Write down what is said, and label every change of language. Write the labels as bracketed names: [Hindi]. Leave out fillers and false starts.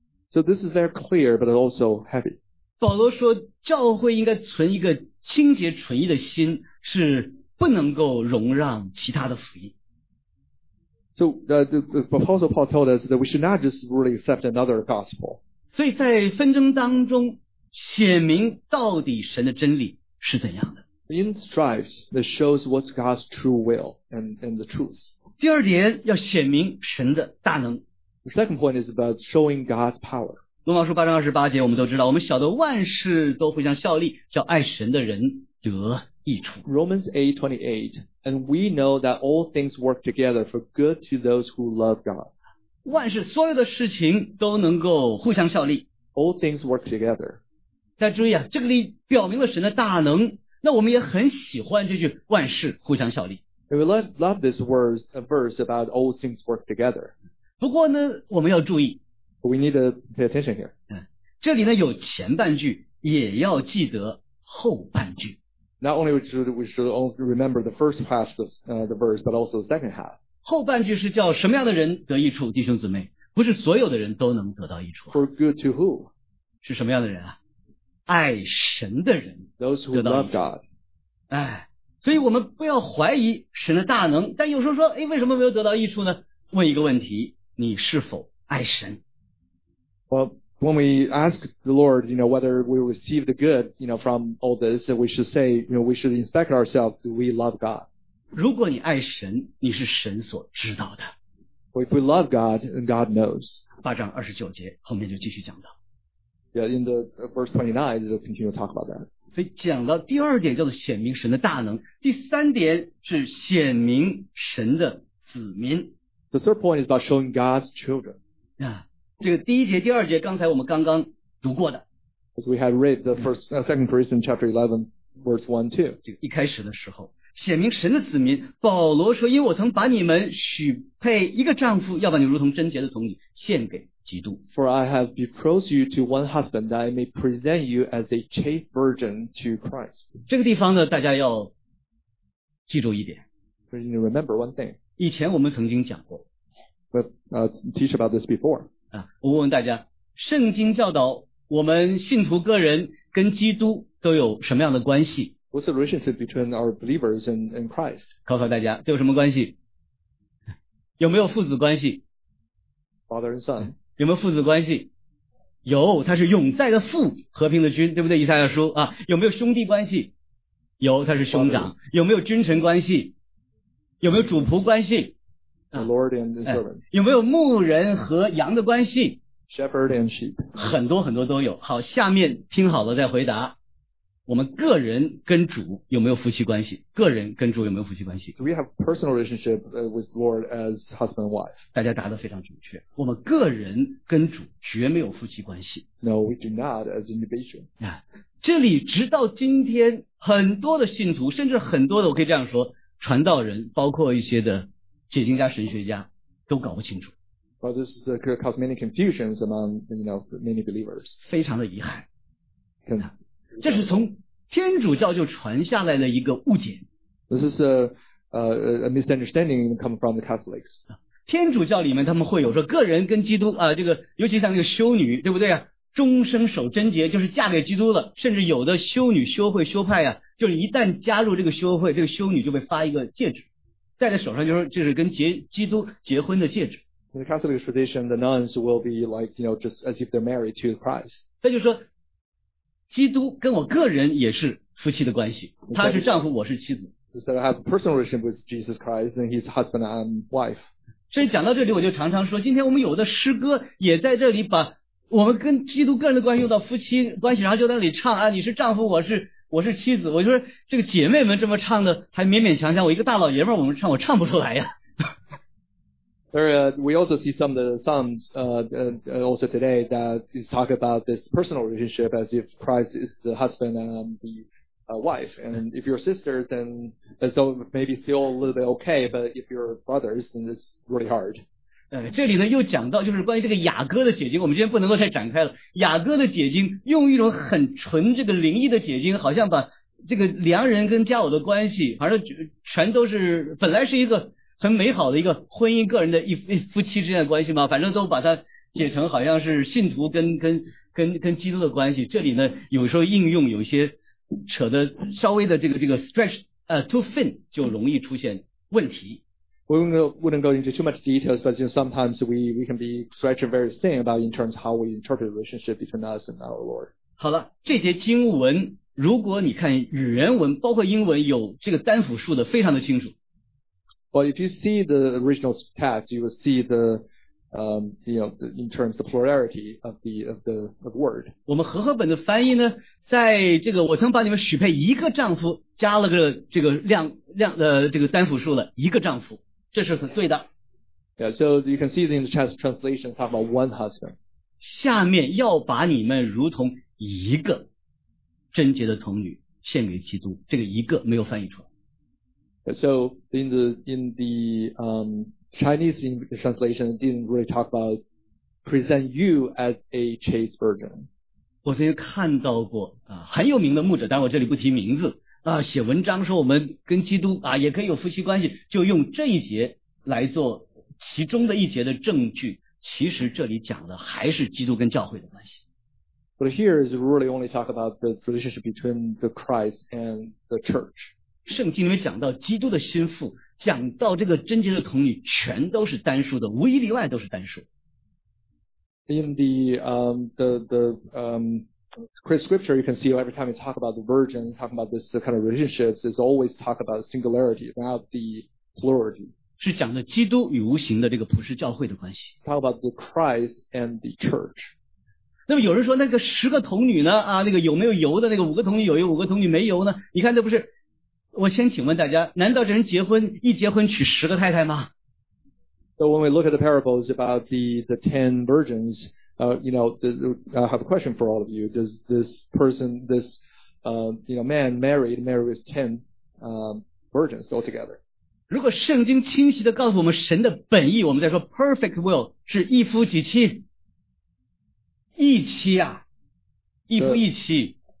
[English] So this is very clear, but also heavy. [Chinese] 保罗说教会应该存一个清洁纯一的心，是不能够容让其他的福音。 [English] So the Apostle Paul told us that we should not just really accept another gospel. [Chinese] 所以在纷争当中显明到底神的真理是怎样的。 [English] In strife, that shows what's God's true will and the truth. [Chinese] 第二点要显明神的大能。 [English] The second point is about showing God's power. [Chinese] 罗马书八章二十八节，我们都知道，我们晓得万事都互相效力，叫爱神的人得益处。 [English] Romans 8:28, and we know that all things work together for good to those who love God. [Chinese] 万事所有的事情都能够互相效力。 [English] All things work together. [Chinese] 大家注意啊，这个里表明了神的大能。那我们也很喜欢这句万事互相效力。 [English] And we love this verse about all things work together. [Chinese] 不过呢，我们要注意。 [English] We need to pay attention here. [Chinese] 这里呢有前半句，也要记得后半句。 [English] Not only we should only remember the first half of the verse, but also the second half. [Chinese] 后半句是叫什么样的人得益处，弟兄姊妹，不是所有的人都能得到益处。 [English] For good to who? [Chinese] 是什么样的人啊？爱神的人。 [English] Those who love God. [Chinese] 哎，所以我们不要怀疑神的大能，但有时候说，哎，为什么没有得到益处呢？问一个问题，你是否爱神？ [English] Well, when we ask the Lord, you know, whether we receive the good, you know, from all this, we should say, you know, we should inspect ourselves, do we love God? [Chinese] 如果你爱神，你是神所知道的。 [English] Well, if we love God, then God knows. [Chinese] 八章二十九节，后面就继续讲到。 [English] Yeah, in the verse 29, we'll continue to talk about that. [Chinese] 所以讲到第二点叫做显明神的大能，第三点是显明神的子民。 [English] The third point is about showing God's children. [Chinese] Yeah, 这个第一节、第二节，刚才我们刚刚读过的。 [English] As we had read the first, second Corinthians chapter 11, verse 1-2. [Chinese] 这个一开始的时候，显明神的子民，保罗说，因为我曾把你们许配一个丈夫，要把你如同贞洁的童女献给基督。 [English] For I have betrothed you to one husband that I may present you as a chaste virgin to Christ. [Chinese] 这个地方呢，大家要记住一点。 [English] But you remember one thing. [Chinese] 以前我们曾经讲过。 [English] But teach about this before. [Chinese] 啊，我问大家，圣经教导我们信徒个人跟基督都有什么样的关系？ [English] What's the relationship between our believers and Christ? [Chinese] 考考大家，都有什么关系？有没有父子关系？ [English] Father and son. [Chinese] 有没有父子关系？有，他是永在的父，和平的君，对不对？以赛亚书啊，有没有兄弟关系？有，他是兄长。 [English] Father. [Chinese] 有没有君臣关系？有没有主仆关系？ [English] The Lord and the servant. [Chinese] 有没有牧人和羊的关系？ [English] Shepherd and sheep. [Chinese] 很多很多都有。好，下面听好了再回答。我们个人跟主有没有夫妻关系？个人跟主有没有夫妻关系？ [English] Do we have personal relationship with Lord as husband and wife? [Chinese] 大家答得非常准确。我们个人跟主绝没有夫妻关系。 [English] No, we do not as individual. [Chinese] 这里直到今天，很多的信徒，甚至很多的，我可以这样说，传道人，包括一些的解经家、神学家，都搞不清楚。 [English] Well, this is cause many confusions among, you know, many believers. [Chinese] 非常的遗憾。这是从天主教就传下来的一个误解。 [English] This is a misunderstanding come from the Catholics. [Chinese] 天主教里面他们会有说个人跟基督啊，这个尤其像那个修女，对不对啊？终生守贞洁，就是嫁给基督了。甚至有的修女修会修派啊，就是一旦加入这个修会，这个修女就被发一个戒指，戴在手上，就是跟基督结婚的戒指。 [English] In the Catholic tradition, the nuns will be like, you know, just as if they're married to Christ. [Chinese] 那就是说，基督跟我个人也是夫妻的关系，他是丈夫，我是妻子。 [English] Instead of having a personal relationship with Jesus Christ, then he's husband and wife. [Chinese] 所以讲到这里，我就常常说，今天我们有的诗歌也在这里把我们跟基督个人的关系用到夫妻关系，然后就在那里唱啊，你是丈夫，我是妻子。我就说这个姐妹们这么唱的还勉勉强强，我一个大老爷们儿，我们唱我唱不出来呀。 [English] There, we also see some of the Psalms, also today that is talk about this personal relationship as if Christ is the husband and the wife. And if you're sisters, then so maybe still a little bit okay, but if you're brothers, then it's really hard. [Chinese] 这里呢又讲到就是关于这个雅歌的解经，我们今天不能够再展开了。雅歌的解经用一种很纯这个灵异的解经，好像把这个良人跟佳偶的关系，反正全都是本来是一个很美好的一个婚姻，个人的一夫妻之间的关系嘛，反正都把它解成好像是信徒跟基督的关系。这里呢，有时候应用有些扯的稍微的这个 [English] stretch too thin [Chinese] 就容易出现问题。 [English] We wouldn't go into too much details, but you know, sometimes we can be stretched very thin about in terms of how we interpret the relationship between us and our Lord. [Chinese] 好了，这节经文如果你看原文，包括英文有这个单复数的，非常的清楚。 [English] But if you see the original text, you will see the, you know, in terms of the plurality of the word. [Chinese] 我们和合本的翻译呢，在这个我曾把你们许配一个丈夫，加了个这个这个单复数的一个丈夫，这是很对的。 [English] Yeah, so you can see in the text translation talk about one husband. [Chinese] 下面要把你们如同一个贞洁的童女献给基督，这个一个没有翻译出来。 [English] So in the Chinese translation, it didn't really talk about present you as a chaste virgin. [Chinese] 我曾经看到过啊，很有名的牧者，但我这里不提名字啊，写文章说我们跟基督啊也可以有夫妻关系，就用这一节来做其中的一节的证据。其实这里讲的还是基督跟教会的关系。 [English] But here is really only talk about the relationship between the Christ and the church. [Chinese] 圣经里面讲到基督的心腹，讲到这个贞洁的童女，全都是单数的，无一例外都是单数。 [English] In the scripture, you can see every time you talk about the virgin, talk about this kind of relationships, it's always talk about singularity, not the plurality. [Chinese] 是讲的基督与无形的这个普世教会的关系。 [English] Talk about the Christ and the church. [Chinese] 那么有人说那个十个童女呢？啊，那个有没有油的那个五个童女有油，五个童女没油呢？你看这不是？我先请问大家，难道这人结婚一结婚娶十个太太吗？ [English] So when we look at the parables about the ten virgins, you know, I have a question for all of you. Does this person, this, you know, man married with ten, virgins altogether. [Chinese] 如果圣经清晰地告诉我们神的本意，我们再说 [English] perfect will [Chinese] 是一夫几妻，一妻啊，一夫一妻。